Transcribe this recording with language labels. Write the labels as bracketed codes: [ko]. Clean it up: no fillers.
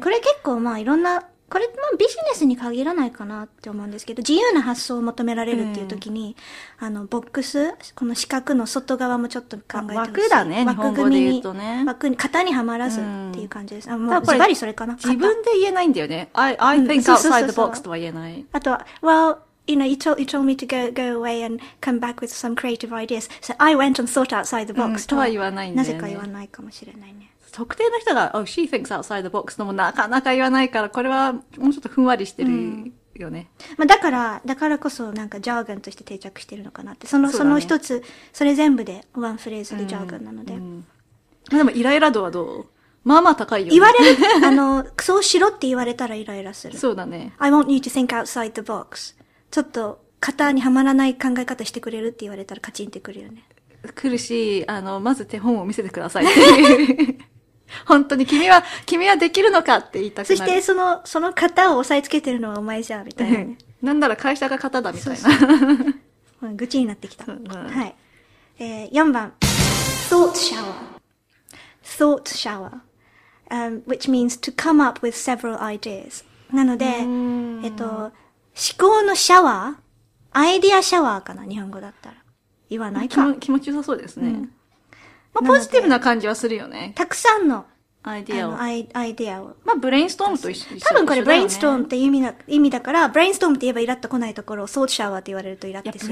[ja] これ結構まあいろんな、これまあビジネスに限らないかなって思うんですけど、自由な発想を求められるっていう時に、うん、ボックス、この四角の外側もちょっと考えてほしい。枠だね、枠組みに、日本語で言うとね。枠に、型にはまらずっていう感じです。うん、もうズバリそれかな。自分で言えないんだよね。 [en] I think outside the box [ja] とは言えない。 [en] あとは、well,You know, you told me to go away and come back with some creative ideas. So I went and thought outside the box.、 [ja] うん、とは言わないんだよね。なぜか言わないかもしれないね。特定の人が、 [en] oh, she thinks outside the box [ja] ともなかなか言わないから、これはもうちょっとふんわりしてるよね。うん、まあだからこそなんかジャーガンとして定着してるのかなって。その一つ、それ全部で、ワンフレーズでジャーガンなので。うんうん、まあでもイライラ度はどう？まあまあ高いよ、ね。言われる、そうしろって言われたらイライラする。そうだね。 [en] I want you to think outside the box. [ja] ちょっと型にはまらない考え方してくれるって言われたらカチンってくるよね。来るし、まず手本を見せてくださいって本当に君はできるのかって言いたくなる。そしてその型を押さえつけてるのはお前じゃんみたいな、ね。なんなら会社が型だみたいな。そうそう愚痴になってきた。うん、はい。4番。Thought shower. [en] Thought shower.、which means to come up with several ideas. [ja] なので、思考のシャワー、アイディアシャワーかな、日本語だったら。言わないか。気持ちよさそうですね。うん、まあ、ポジティブな感じはするよね。たくさんのアイディアを。アイディアを。まあ、ブレインストームと一緒だよね。多分これ、ブレインストームって意味だから、ブレインストームって言えばイラッと来ないところを、ソートシャワーって言われるとイラッとする。